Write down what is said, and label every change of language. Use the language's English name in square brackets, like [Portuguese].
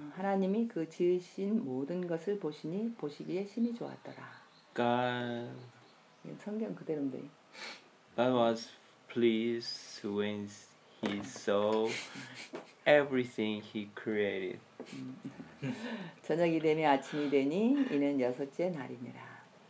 [Korean] 하나님이 그 지으신 모든 것을 보시니 보시기에 심히 좋았더라. [English] God. [Korean] 성경 그대로인데. [English] God was pleased when he saw everything he created. [Korean] 저녁이 되니 아침이 되니 이는 여섯째 날이니라.